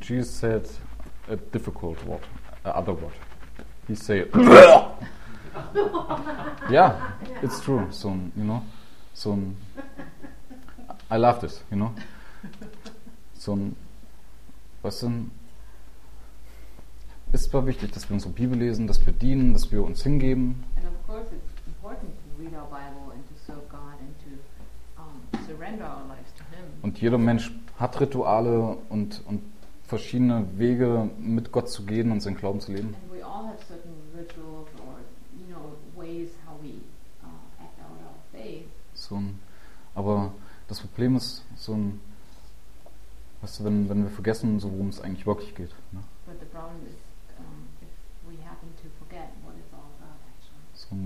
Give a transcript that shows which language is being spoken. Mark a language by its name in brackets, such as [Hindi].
[English] Jesus said a difficult word, a other word. He said, yeah, it's true. So, you know, so I love this, you know. [German] So, weißt du, ist zwar wichtig, dass wir unsere Bibel lesen, dass wir dienen, dass wir uns hingeben. [English] And of course it's important to read our Bible and to serve God and to surrender our lives to Him. [German] Und jeder Mensch hat Rituale und verschiedene Wege, mit Gott zu gehen und seinen Glauben zu leben. [English] And we all have certain rituals or, you know, ways how we act out our faith. [German] So, aber das Problem ist so ein, weißt du, wenn wir vergessen, so worum es eigentlich wirklich geht. Ne? [English] But the problem is if we happen to forget what it's all about, actually.